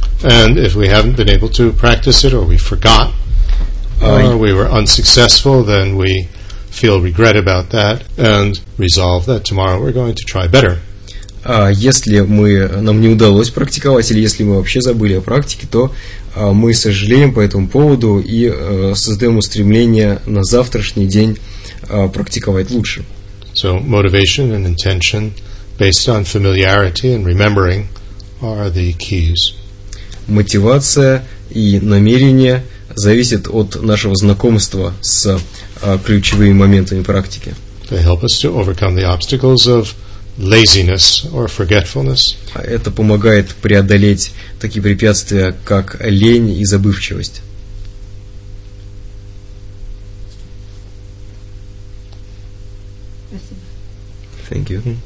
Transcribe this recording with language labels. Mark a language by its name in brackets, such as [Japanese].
[English] And if we haven't been able to practice it, or we forgot, or we were unsuccessful, then we feel regret about that and resolve that tomorrow we're going to try better. [Russian] Если нам не удалось практиковать, или если мы вообще забыли о практике, то мы сожалеем по этому поводу и создаем устремление на завтрашний день практиковать лучше. [English] So, motivation and intention based on familiarity and remembering are the keys. [Russian] Мотивация и намерение зависят от нашего знакомства с ключевыми моментами практики. [English] They help us to overcome the obstacles of laziness or forgetfulness. [Russian] Это помогает преодолеть такие препятствия, как лень и забывчивость. [English] Thank you.